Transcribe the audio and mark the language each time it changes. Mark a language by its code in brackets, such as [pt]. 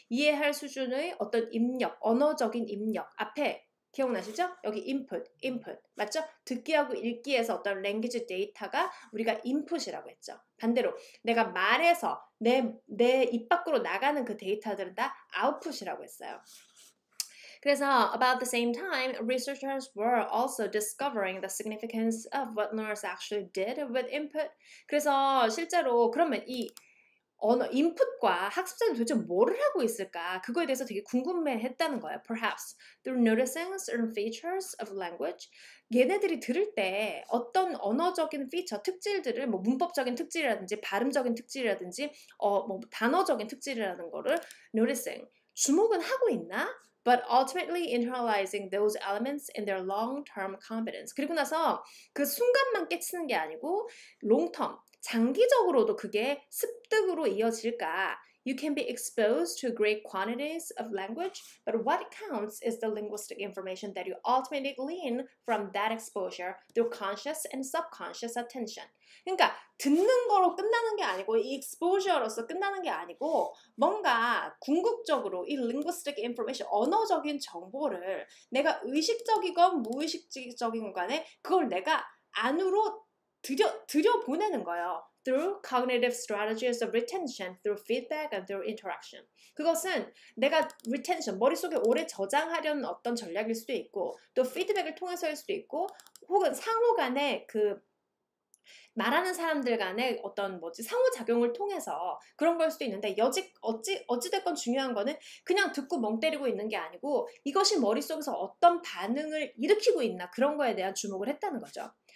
[ko] 이해할 수준의 어떤 입력, 언어적인 입력 앞에 기억나시죠? 여기 input, 맞죠? 듣기하고 읽기에서 어떤 language 데이터가 우리가 input이라고 했죠. 반대로 내가 말해서 내 입 밖으로 나가는 그 데이터들은 다 output이라고 했어요. [en] 그래서 about the same time, researchers were also discovering the significance of what learners actually did with input. [ko] 그래서 실제로 그러면 이 언어 인풋과 학습자는 도대체 뭐를 하고 있을까? 그거에 대해서 되게 궁금해했다는 거예요. [en] Perhaps through noticing certain features of language, [ko] 얘네들이 들을 때 어떤 언어적인 feature 특질들을 뭐 문법적인 특질이라든지 발음적인 특질이라든지 뭐 단어적인 특질이라는 거를 noticing 주목은 하고 있나? [en] But ultimately internalizing those elements in their long-term competence. [ko] 그리고 나서 그 순간만 깨치는 게 아니고 long-term. 장기적으로도 그게 습득으로 이어질까? [en] You can be exposed to great quantities of language, but what counts is the linguistic information that you ultimately glean from that exposure through conscious and subconscious attention. [ko] 그러니까 듣는 거로 끝나는 게 아니고 이 exposure로서 끝나는 게 아니고 뭔가 궁극적으로 이 linguistic information, 언어적인 정보를 내가 의식적이건 무의식적인 간에 그걸 내가 안으로 들여보내는 거예요. [en] Through cognitive strategies of retention, through feedback and through interaction. [ko] 그것은 내가 retention, 머릿속에 오래 저장하려는 어떤 전략일 수도 있고 또 feedback을 통해서일 수도 있고 혹은 상호 간의 그 말하는 사람들 간의 어떤 뭐지 상호작용을 통해서 그런 걸 수도 있는데 어찌됐건 중요한 거는 그냥 듣고 멍 때리고 있는 게 아니고 이것이 머릿속에서 어떤 반응을 일으키고 있나 그런 거에 대한 주목을 했다는 거죠.